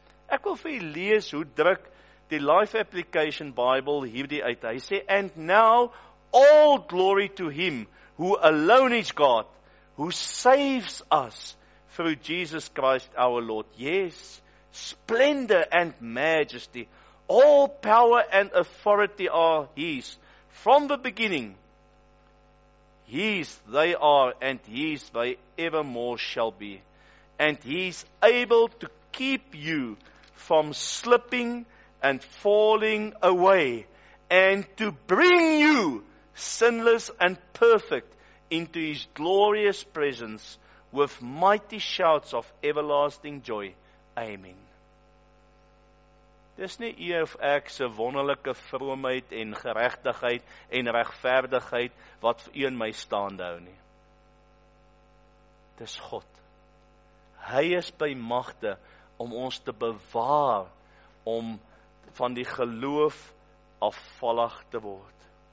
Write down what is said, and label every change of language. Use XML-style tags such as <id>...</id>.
<af>Ek wil vir jy lees, hoe druk die Life Application Bible hierdie uit. Hy sê,</af> <en>and now all glory to him, who alone is God, who saves us through Jesus Christ our Lord. Yes, splendor and majesty, all power and authority are his. From the beginning, his they are, and his they evermore shall be. And he is able to keep you from slipping and falling away, and to bring you sinless and perfect into his glorious presence with mighty shouts of everlasting joy. Amen.</en> <af>Dis nie jy of ek se wonderlike vroomheid en geregtigheid en regverdigheid wat vir een my staande hou nie. Dis God. Hy is by magte om ons te bewaar om van die geloof afvallig te word.</af>